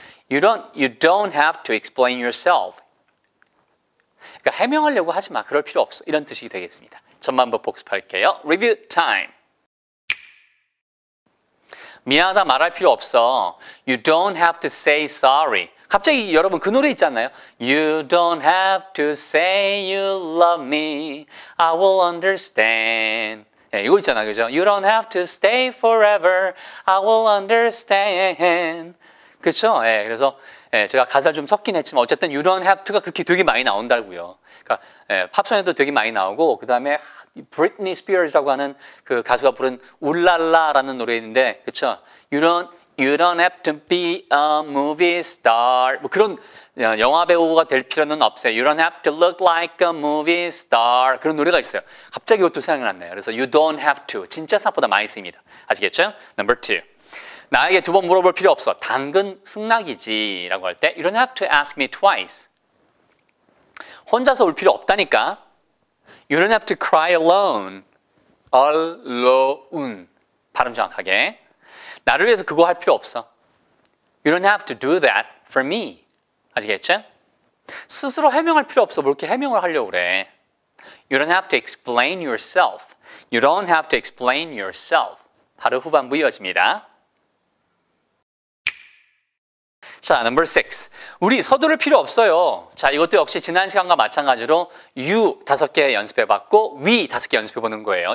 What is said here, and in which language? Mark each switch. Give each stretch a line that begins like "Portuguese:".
English: You don't have to explain yourself.
Korean: 그러니까 해명하려고 하지 마. 그럴 필요 없어. 이런 뜻이 되겠습니다. 전만 한번 복습할게요.
English: Review time.
Korean: 미안하다 말할 필요 없어.
English: You don't have to say sorry.
Korean: 갑자기 여러분 그 노래 있잖아요.
English: You don't have to say you love me. I will understand.
Korean: 예, 이거 있잖아요. 그죠?
English: You don't have to stay forever. I will understand.
Korean: 그쵸? 예, 그래서 예, 제가 가사를 좀 섞긴 했지만 어쨌든
English: you don't have to
Korean: 가 그렇게 되게 많이 나온다고요. 그러니까 예, 팝송에도 되게 많이 나오고 그 다음에 Britney Spears라고 하는 그 가수가 부른 울랄라라는 노래 있는데, 그쵸?
English: You don't have to be a movie star.
Korean: 뭐 그런 영화 배우가 될 필요는 없어요.
English: You don't have to look like a movie star.
Korean: 그런 노래가 있어요. 갑자기 그것도 생각났네요. 그래서
English: you don't have to.
Korean: 진짜 생각보다 많이 씁니다. 아시겠죠?
English: Number two.
Korean: 나에게 두 번 물어볼 필요 없어. 당근 승낙이지. 라고 할 때,
English: you don't have to ask me twice.
Korean: 혼자서 올 필요 없다니까.
English: You don't have to cry alone. Alone.
Korean: 발음 정확하게. 나를 위해서 그거 할 필요 없어.
English: You don't have to do that for me.
Korean: 아시겠죠? 스스로 해명할 필요 없어. 뭘 이렇게 해명을 하려고 그래.
English: You don't have to explain yourself. You don't have to explain yourself.
Korean: 바로 후반부 이어집니다.
English: 자, number six.
Korean: 우리 서두를 필요 없어요. 자, 이것도 역시 지난 시간과 마찬가지로 you 다섯 개 연습해봤고 we 다섯 개 연습해보는 거예요.